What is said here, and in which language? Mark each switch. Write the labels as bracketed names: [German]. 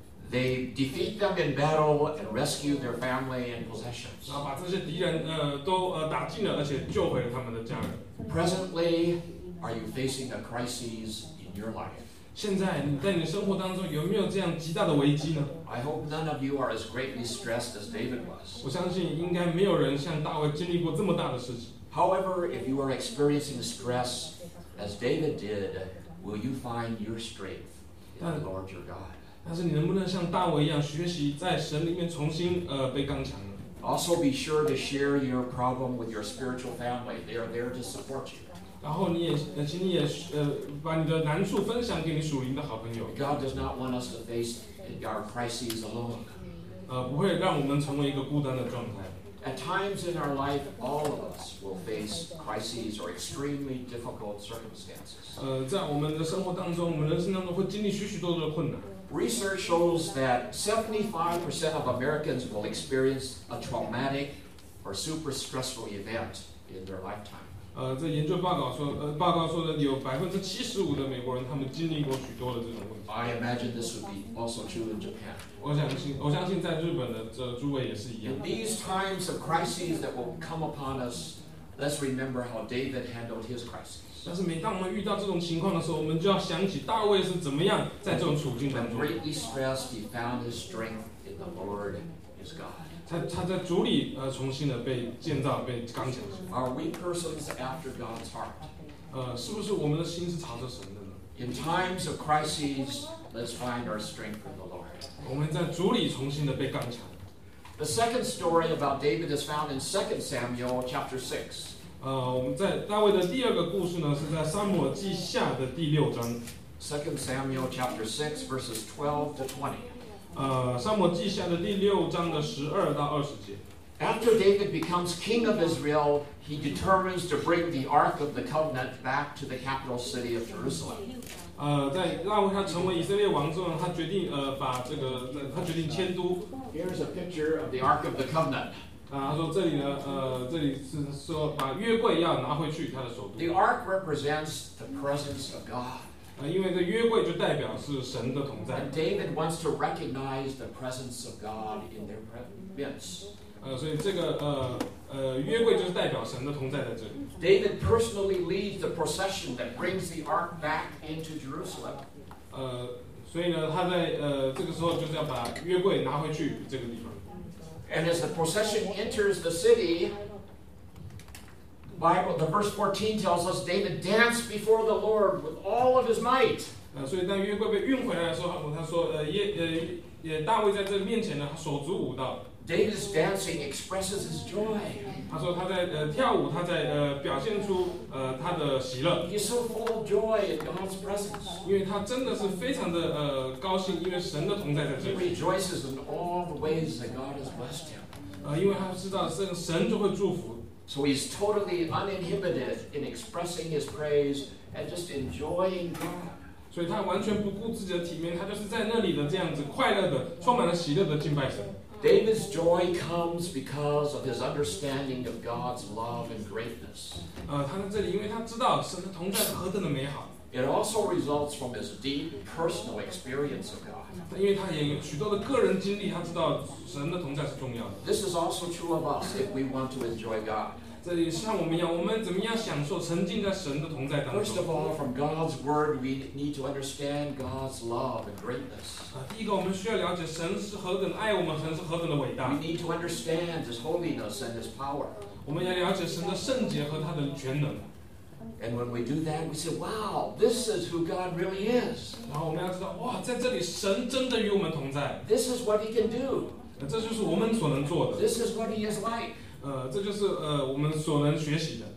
[English] They defeat them in battle and rescue their family and possessions. [Chinese] 然后把这些敌人打尽了，而且救回了他们的家人。 [English] Presently, are you facing a crisis in your life? [Chinese] 现在你在你生活当中有没有这样极大的危机呢？ [English] I hope none of you are as greatly stressed as David was. [Chinese] 我相信应该没有人像大卫经历过这么大的事情。 [English] However, if you are experiencing stress as David did, will you find your strength in the Lord your God? [Chinese] 但是你能不能像大卫一样学习在神里面重新被刚强呢？ [English] Also be sure to share your problem with your spiritual family. They are there to support you. [Chinese] 然后你也，请你也，把你的难处分享给你属灵的好朋友。 [English] God does not want us to face our crises alone. [Chinese] 不会让我们成为一个孤单的状态。 [English] At times in our life, all of us will face crises or extremely difficult circumstances. [Chinese] 在我们的生活当中，我们人生当中会经历许许多多的困难。 [English] Research shows that 75% of Americans will experience a traumatic or super stressful event in their lifetime. [Chinese] 这研究报告说，报告说的有75%的美国人他们经历过许多的这种问题。 [English] I imagine this would be also true in Japan. [Chinese] 我相信在日本的这诸位也是一样。 [English] In these times of crises that will come upon us, let's remember how David handled his crisis. [Chinese] 但是每当我们遇到这种情况的时候，我们就要想起大卫是怎么样在这种处境当中。 [English] Greatly stressed, he found his strength in the Lord, his God. [Chinese] 他在主里重新的被建造，被刚强。 [English] Are we persons after God's heart? [Chinese] 是不是我们的心是朝着神的呢 [English] ？In times of crises, let's find our strength in the Lord. [Chinese] 我们在主里重新的被刚强。 [English] The second story about David is found in 2 Samuel chapter 6. [Chinese] 我们在大卫的第二个故事呢，是在撒母耳记下的第六章。 [English] Second Samuel chapter 6 verses 12 to 20。 [Chinese] 撒母耳记下的第六章的12-20节。 [English] After David becomes king of Israel, he determines to bring the Ark of the Covenant back to the capital city of Jerusalem. [Chinese] 在大卫他成为以色列王之后，他决定把这个他决定迁都。 [English] Here's a picture of the Ark of the Covenant. [Chinese] 他说这里呢，这里是说把约柜要拿回去他的首都。 [English] The ark represents the presence of God. [Chinese] 因为这约柜就代表是神的同在。 [English] And David wants to recognize the presence of God in their midst. [Chinese] 所以这个约柜就是代表神的同在在这里。 [English] David personally leads the procession that brings the ark back into Jerusalem. [Chinese] 所以呢，他在这个时候就是要把约柜拿回去这个地方。 [English] And as the procession enters the city, the verse 14 tells us David danced before the Lord with all of his might. [Chinese] 所以当约柜被运回来的时候，他说，大卫在这面前呢，手足舞蹈。 [English] David's dancing expresses his joy. [Chinese] 他说他在跳舞，他在表现出他的喜乐。 [English] He's so full of joy in God's presence. [Chinese] 因为他真的是非常的高兴，因为神的同在在这里。 [English] He rejoices in all the ways that God has blessed him. [Chinese] 因为他知道神就会祝福。 [English] So he's totally uninhibited in expressing his praise and just enjoying God. [Chinese] 所以他完全不顾自己的体面，他就是在那里的这样子快乐的、充满了喜乐的敬拜神。 [English] David's joy comes because of his understanding of God's love and greatness. [Chinese] 他在这里，因为他知道神的同在是何等的美好。 [English] It also results from his deep personal experience of God. [Chinese] 因为他也有许多的个人经历，他知道神的同在是重要的。 [English] This is also true of us if we want to enjoy God. [Chinese] 这里像我们一样，我们怎么样享受沉浸在神的同在当中 [English] ？First of all, from God's word, we need to understand God's love and greatness. [Chinese] 第一个，我们需要了解神是何等爱我们，神是何等的伟大。 [English] We need to understand His holiness and His power. [Chinese] 我们要了解神的圣洁和他的全能。 [English] And when we do that, we say, "Wow, this is who God really is." [Chinese] 然后我们要知道，哇，在这里神真的与我们同在。 [English] This is what He can do. [Chinese] 这就是我们所能做的。 [English] This is what He is like. [Chinese] 这就是我们所能学习的。